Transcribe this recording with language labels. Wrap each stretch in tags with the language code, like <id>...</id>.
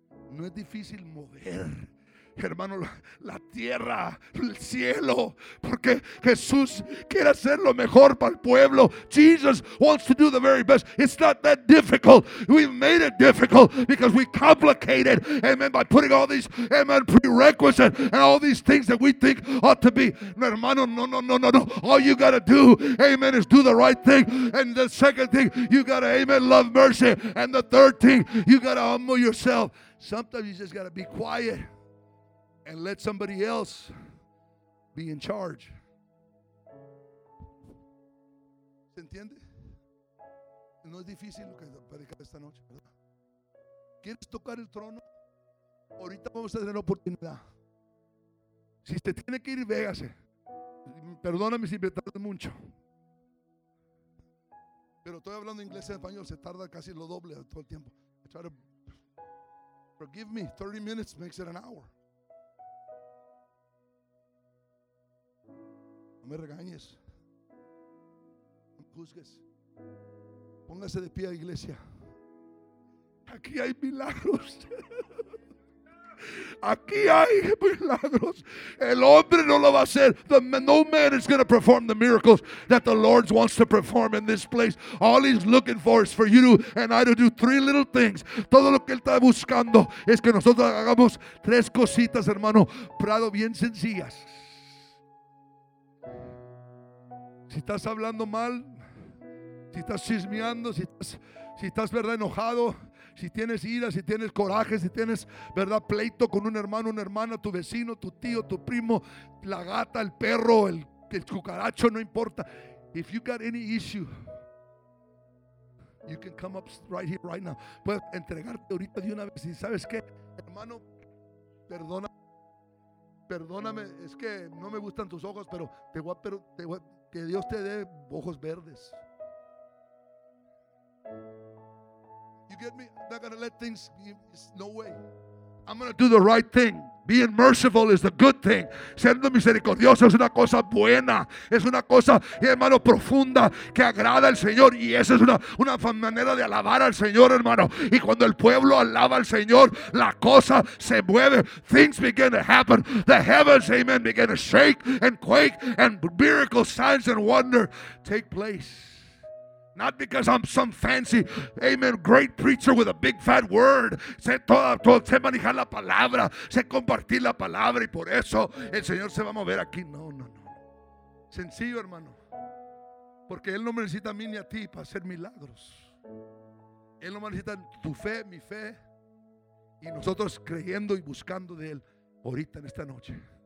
<es>No es difícil mover, hermano, la tierra, el cielo, porque Jesús quiere hacer lo mejor para el pueblo.</es> <en>Jesus wants to do the very best. It's not that difficult. We made it difficult because we complicated, amen, by putting all these, amen, prerequisites and all these things that we think ought to be.</en> <es>No, hermano, no.</es> <en>All you got to do, amen, is do the right thing. And the second thing, you got to, amen, love mercy. And the third thing, you got to humble yourself. Sometimes you just got to be quiet and let somebody else be in charge.</en> <es>¿Se entiende? No es difícil lo que predicar esta noche, ¿verdad? ¿Quieres tocar el trono? Ahorita vamos a tener la oportunidad. Si te tiene que ir, véase. Perdóname si me tardo mucho. Pero estoy hablando inglés y español, se tarda casi lo doble todo el tiempo.</es> <en>Forgive me, 30 minutes makes it an hour.</en> <es>No me regañes, no me juzgues. Póngase de pie, iglesia. Aquí hay milagros. Aquí hay milagros. El hombre no lo va a hacer.</es> <en>No man is going to perform the miracles that the Lord wants to perform in this place. All he's looking for is for you and I to do three little things.</en> <es>Todo lo que él está buscando es que nosotros hagamos tres cositas, hermano Prado, bien sencillas. Si estás hablando mal, si estás chismeando, si estás verdad enojado, si tienes ira, si tienes coraje, si tienes verdad pleito con un hermano, una hermana, tu vecino, tu tío, tu primo, la gata, el perro, el cucaracho, no importa.</es> <en>If you got any issue, you can come up right here, right now.</en> <es>Puedes entregarte ahorita de una vez. Y sabes qué, hermano, perdóname, es que no me gustan tus ojos, pero que Dios te dé ojos verdes.</es> <en>You get me? I'm not gonna let things. It's no way. I'm gonna do the right thing. Being merciful is the good thing.</en> <es>Siendo misericordioso es una cosa buena. Es una cosa, hermano, profunda que agrada al Señor. Y esa es una manera de alabar al Señor, hermano. Y cuando el pueblo alaba al Señor, la cosa se mueve.</es> <en>Things begin to happen. The heavens, amen, begin to shake and quake, and miracles, signs and wonder take place. Not because I'm some fancy, amen, great preacher with a big fat word.</en> <es>Sé manejar la palabra, sé compartir la palabra, y por eso el Señor se va a mover aquí. No, no, no. Sencillo, hermano. Porque Él no me necesita a mí ni a ti para hacer milagros. Él no me necesita tu fe, mi fe, y nosotros creyendo y buscando de Él ahorita en esta noche.</es>